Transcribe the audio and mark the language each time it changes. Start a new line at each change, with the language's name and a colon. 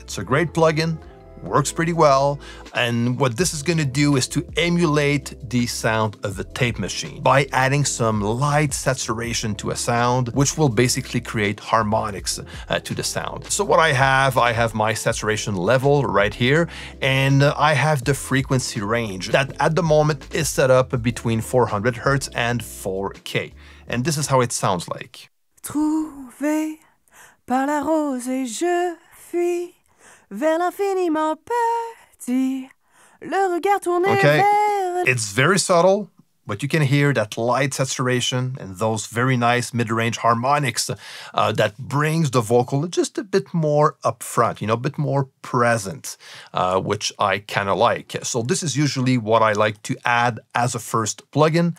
English: It's a great plugin, works pretty well. And what this is gonna do is to emulate the sound of a tape machine by adding some light saturation to a sound, which will basically create harmonics to the sound. So what I have my saturation level right here, and I have the frequency range that at the moment is set up between 400 Hertz and 4K. And this is how it sounds like.
French: Trouvé par la rose et je fuis vers l'infiniment petit. Le regard tourné vers...
English: It's very subtle, but you can hear that light saturation and those very nice mid-range harmonics that brings the vocal just a bit more upfront, you know, a bit more present, which I kind of like. So this is usually what I like to add as a first plugin.